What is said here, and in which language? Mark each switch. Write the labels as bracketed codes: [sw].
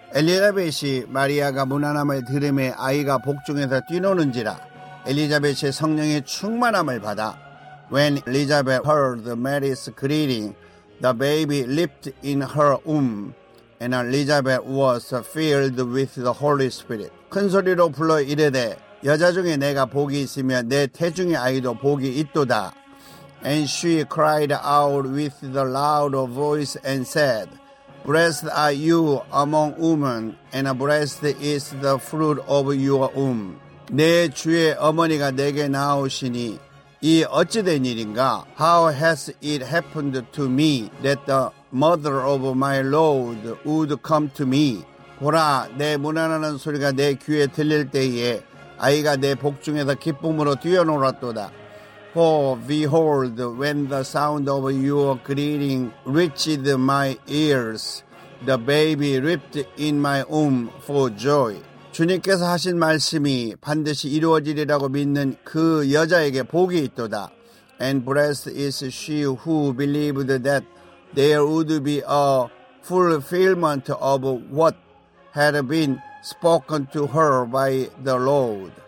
[ko] 엘리자벳이 마리아가 문안함을 들음에 아이가 복중에서 뛰노는지라 엘리자벳의 성령의 충만함을 받아 [en] When Elizabeth heard Mary's greeting, the baby leaped in her womb, and Elizabeth was filled with the Holy Spirit. [ko] 큰 소리로 불러 이르되, 여자 중에 내가 복이 있으며 내 태중의 아이도 복이 있도다. [en] And she cried out with the loud voice and said, Blessed are you among women, and blessed is the fruit of your womb. [ko] 내 주의 어머니가 내게 나오시니, 이 어찌된 일인가? [en] How has it happened to me that the mother of my Lord would come to me? [ko] 보라, 내 문안하는 소리가 내 귀에 들릴 때에 아이가 내 복중에서 기쁨으로 뛰어놀았도다. [en] For behold, when the sound of your greeting reached my ears, the baby leaped in my womb for joy. [ko] 주님께서 하신 말씀이 반드시 이루어지리라고 믿는 그 여자에게 복이 있도다. [en] And blessed is she who believed that there would be a fulfillment of what had been spoken to her by the Lord.